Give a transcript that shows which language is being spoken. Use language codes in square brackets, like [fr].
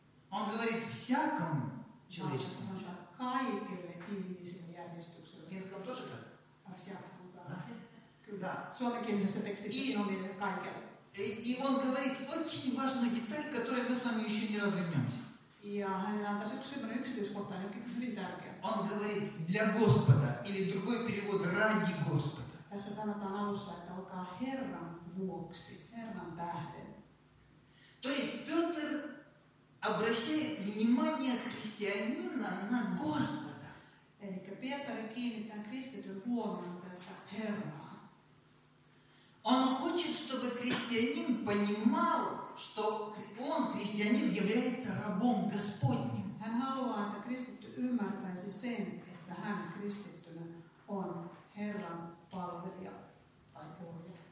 [ru] Он говорит всякому человечеству. [fi] Hän sanoi kaikille ihmisille järjestykselle. [ru] Finskam тоже так? Всякому, да. [fi] Kyllä. [ru] Да. [fi] Suomenkielisessä tekstissä siinä on niille kaikille. [ru] И он говорит очень важную деталь, которую мы сами еще не развернемся. [fi] Ja hänellä on tässä yksi sellainen yksityiskohta, joka on hyvin tärkeä. [ru] Он говорит для Господа, или другой перевод ради Господа. [fi] Tässä sanotaan alussa, että olkaa Herran vuoksi. вуокси, Херран Тахден. [ru] То есть Петр обращает внимание христианина на Господа. [fi] Eli Петр kiinnittää kristityn huomioon tässä Herraan. [ru] Он хочет, чтобы христианин понимал, что он, христианин, является рабом Господним. [fi] Hän haluaa, että kristitty ymmärtäisi sen, että hän kristittynä on Herran palvelija tai orja.